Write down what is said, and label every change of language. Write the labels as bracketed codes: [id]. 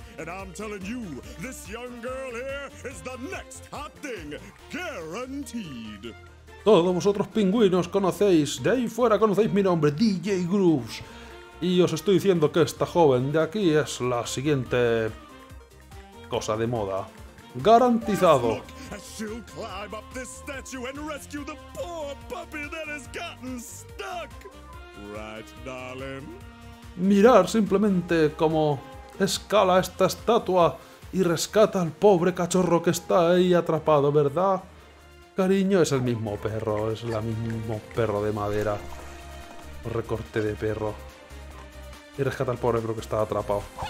[en] And I'm telling you, this young girl here is the next hot thing, guaranteed. [es] Todos vosotros pingüinos conocéis, de ahí fuera conocéis mi nombre, DJ Grooves. Y os estoy diciendo que esta joven de aquí es la siguiente cosa de moda. Garantizado. [en] She'll climb up this statue and rescue the poor puppy that has gotten stuck. Right, darling. [es] Mirar simplemente como escala esta estatua y rescata al pobre cachorro que está ahí atrapado, ¿verdad? Cariño, es el mismo perro, es el mismo perro de madera. Recorte de perro. Y rescata al pobre perro que está atrapado.